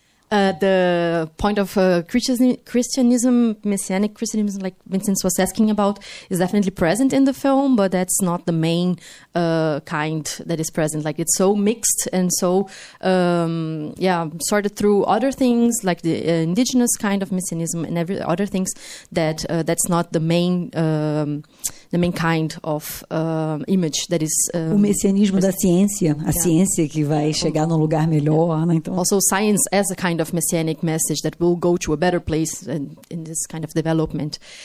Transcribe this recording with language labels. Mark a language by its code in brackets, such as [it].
[en] The point of Christianism, messianic Christianism, like Vincent was asking about, is definitely present in the film, but that's not the main kind that is present. Like, it's so mixed and so, sorted through other things, like the indigenous kind of messianism and every other things, that that's not the main the main kind of image that is... [pt] O messianismo da ciência, ciência que vai chegar num lugar melhor, né? Então, [en] also science as a kind of messianic message that will go to a better place in this kind of development.